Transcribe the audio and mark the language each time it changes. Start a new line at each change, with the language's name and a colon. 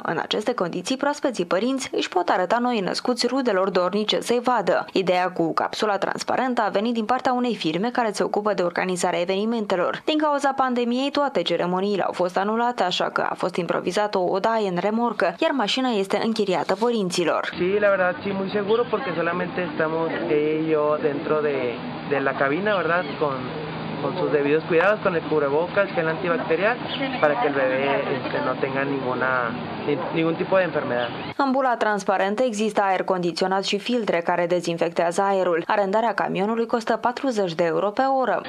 Romanian: În aceste condiții, proaspeții părinți își pot arăta noi născuți rudelor dornice să-i vadă. Ideea cu capsula transparentă a venit din partea unei firme care se ocupă de organizarea evenimentelor. Din cauza pandemiei, toate ceremoniile au fost anulate, așa că a fost improvizată o odaie în remorcă, iar mașina este închiriată părinților.
Spanish: Sí, la verdad, sí, muy seguro, porque solamente estamos yo dentro de la cabina, ¿verdad? Con sus debidos cuidados, con el cubrebocas, gel antibacterial, para que el bebé no tenga ningún tipo de enfermedad.
Romanian: În bula transparentă există aer condiționat și filtre care dezinfectează aerul. Arendarea camionului costă 40 de euro pe oră.